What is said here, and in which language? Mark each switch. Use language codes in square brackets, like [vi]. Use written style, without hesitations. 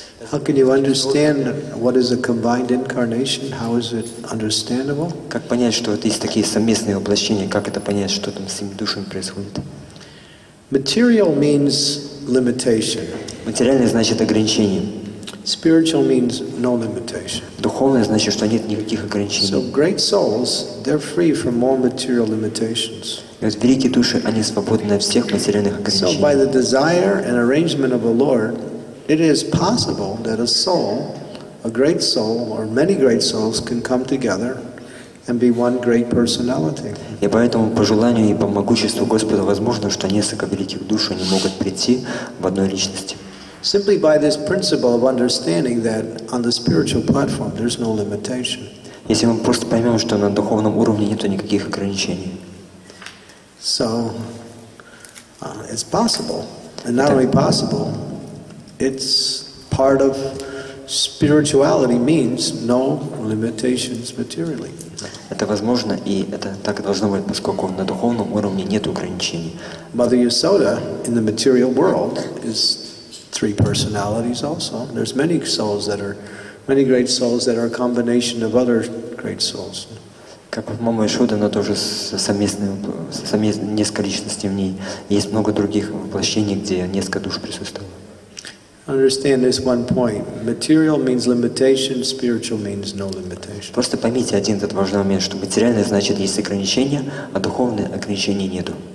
[en] How can you understand what is a combined incarnation? How is it understandable? [ru] Как понять, что есть такие совместные воплощения? Как это понять, что там с этими душами происходит? [en] Material means limitation. [ru] Материальное значит ограничение. [en] Spiritual means no limitation. [ru] Духовное значит, что нет никаких ограничений. [en] So great souls, they're free from all material limitations. [ru] И вот великие души, они свободны от всех материальных ограничений. [en] So by the desire and arrangement of the Lord, it is possible that a soul, a great soul, or many great souls can come together and be one great personality. [ru] И поэтому по желанию и по могуществу Господа возможно, что несколько великих душ, они могут прийти в одной личности. [en] Simply by this principle of understanding that on the spiritual platform there's no limitation. [ru] Если мы просто поймем, что на духовном уровне нет никаких ограничений. [en] So, it's possible, and not only possible, it's part of spirituality means no limitations materially. [ru] Это возможно, и это так должно быть, поскольку на духовном уровне нет ограничений. [en] Mother Yasoda in the material world is three personalities also. There's many souls that are, many great souls that are a combination of other great souls. [ru] Как мама Ишода, она тоже совместная, несколько личностей в ней. Есть много других воплощений, где несколько душ присутствовало. [en] Understand this one point. Material means limitation, spiritual means no limitation. [ru] Просто поймите один этот важный момент, что материальное значит есть ограничения, а духовные ограничений нету.